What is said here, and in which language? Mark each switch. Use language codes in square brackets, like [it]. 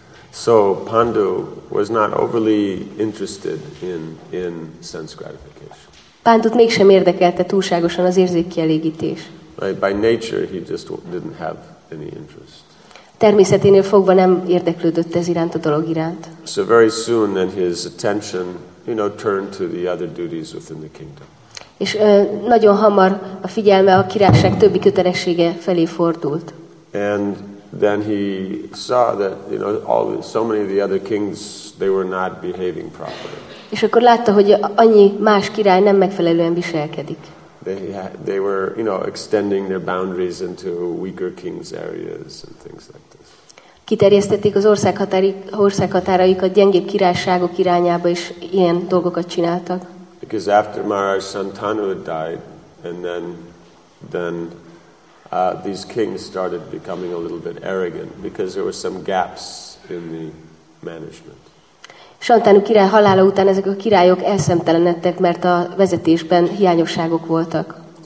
[en] So, Pandu was not overly interested in sense gratification. [hu] Pandut mégsem érdekelte túlságosan az érzékkielégítés. [en] Right, by nature, he just didn't have any interest. [hu] Természeténél fogva nem érdeklődött ez iránt a dolog iránt. [en] So very soon then his attention, you know, turned to the other duties within the kingdom. [hu] És nagyon hamar a figyelme a királyság többi kötelessége felé fordult. [en] And then he saw that, you know, all so many of the other kings, they were not behaving properly. [hu] És akkor látta, hogy annyi más király nem megfelelően viselkedik. [en] They were, you know, extending their boundaries into weaker kings' areas and things like this. [hu] Kiterjesztették az országhatáraikat gyengébb királyságok irányába, és ilyen dolgokat csináltak. [en] Because after Maharaj Santanu had died, and then these kings started becoming a little bit arrogant because there were some gaps in the management. [hu] Santanu király halála után ezek a királyok elszemtelenedtek, mert a vezetésben hiányosságok voltak.